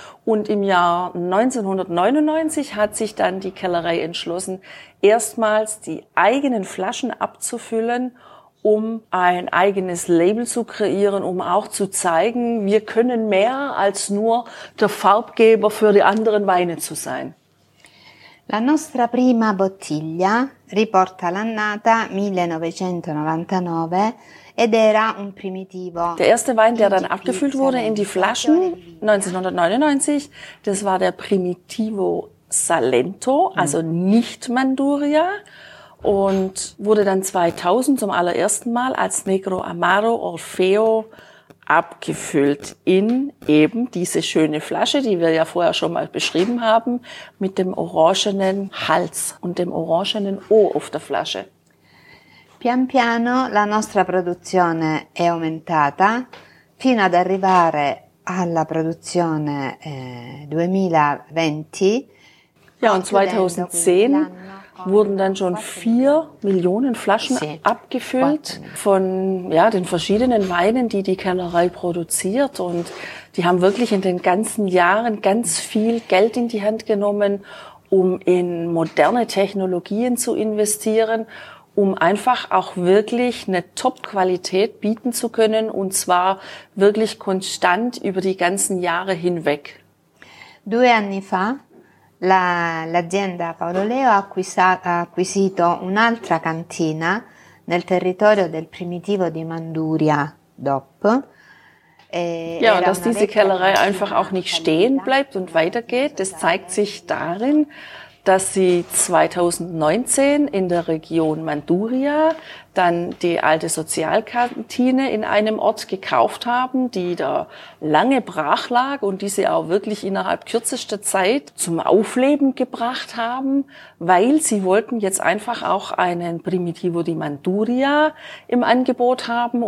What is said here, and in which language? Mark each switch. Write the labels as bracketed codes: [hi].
[de] Und im Jahr 1999 hat sich dann die Kellerei entschlossen, erstmals die eigenen Flaschen abzufüllen, um ein eigenes Label zu kreieren, um auch zu zeigen, wir können mehr als nur der Farbgeber für die anderen Weine zu sein. [it] La nostra prima bottiglia riporta l'annata 1999 ed era un primitivo. [de] Der erste Wein, der dann abgefüllt wurde in die Flaschen 1999, das war der Primitivo Salento, also nicht Manduria, und wurde dann 2000 zum allerersten Mal als Negro Amaro Orfeo abgefüllt in eben diese schöne Flasche, die wir ja vorher schon mal beschrieben haben, mit dem orangenen Hals und dem orangenen O auf der Flasche. [it] Pian piano la nostra produzione è aumentata fino ad arrivare alla produzione 2020. [de] Ja, und 2010 wurden dann schon 4 Millionen Flaschen abgefüllt von, ja, den verschiedenen Weinen, die die Kellerei produziert. Und die haben wirklich in den ganzen Jahren ganz viel Geld in die Hand genommen, um in moderne Technologien zu investieren, um einfach auch wirklich eine Top-Qualität bieten zu können, und zwar wirklich konstant über die ganzen Jahre hinweg. [it] 2 anni fa, l'azienda Paolo Leo ha acquisito un'altra cantina nel territorio del primitivo di Manduria DOP. [de] Ja, und dass diese Kellerei einfach auch nicht stehen bleibt und weitergeht, das zeigt sich darin, dass sie 2019 in der Region Manduria dann die alte Sozialkantine in einem Ort gekauft haben, die da lange brach lag und die sie auch wirklich innerhalb kürzester Zeit zum Aufleben gebracht haben, weil sie wollten jetzt einfach auch einen Primitivo di Manduria im Angebot haben.